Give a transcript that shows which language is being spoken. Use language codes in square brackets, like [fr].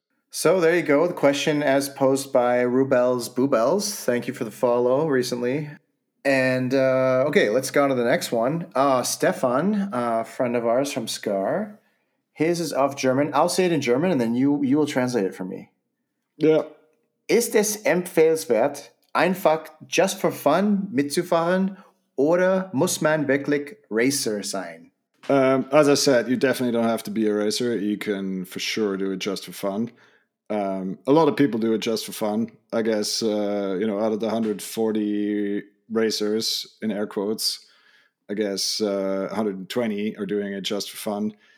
[en] So there you go. The question as posed by Rubel's Boobels. Thank you for the follow recently. And okay, let's go on to the next one. Stefan, a friend of ours from SCAR. His is off German. I'll say it in German and then you will translate it for me. Yeah. [de] Ist es empfehlenswert, einfach [en] just for fun [de] mitzufahren oder muss man wirklich Racer sein? [en] As I said, you definitely don't have to be a racer. You can for sure do it just for fun. A lot of people do it just for fun, I guess. You know, out of the 140 racers, in air quotes, I guess 120 are doing it just for fun.